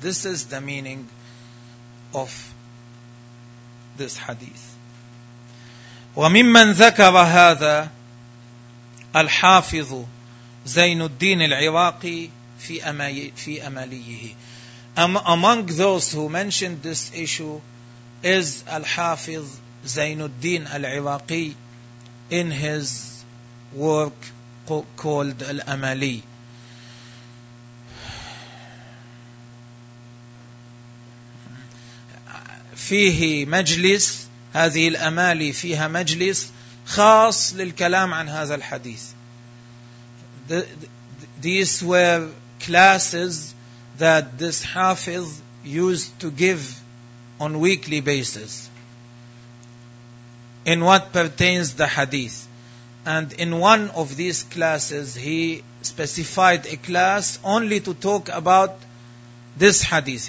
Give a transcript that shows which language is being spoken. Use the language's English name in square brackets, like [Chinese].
[English] This is the meaning of this hadith. [Arabic] وممن ذكر هذا الحافظ زين الدين العراقي في أماليه. [English] Among those who mentioned this issue is الحافظ زين الدين العراقي in his work called الأمالي. [Arabic] فيه مجلس, هذه الأمالي فيها مجلس خاص للكلام عن هذا الحديث. [English] These were classes that this Hafiz used to give on weekly basis in what pertains the hadith. And in one of these classes, he specified a class only to talk about this hadith.